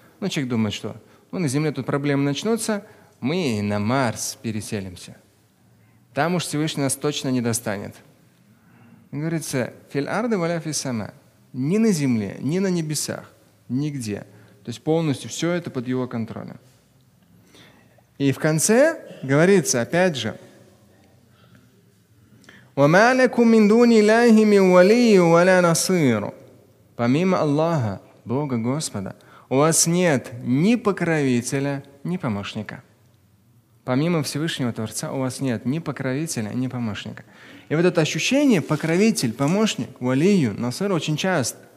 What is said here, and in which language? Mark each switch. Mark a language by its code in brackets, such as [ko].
[ru] Ну, человек думает, что ну, на Земле тут проблемы начнутся, мы и на Марс переселимся. Там уж Всевышний нас точно не достанет. Говорится, [ar] «филь арды валя фи сама». [ru] Ни на Земле, ни на небесах, нигде. То есть полностью все это под его контролем. И в конце говорится, опять же, [ar] وَمَا لَكُمْ مِنْ دُونِ اللَّهِ مِنْ وَلِيٍّ وَلَا نَصِيرٍ. [ru] Помимо Аллаха, Бога Господа, у вас нет ни покровителя, ни помощника. помимо Всевышнего Творца у вас нет ни покровителя, ни помощника. И вот это ощущение покровитель, помощник, валию, насыр очень часто.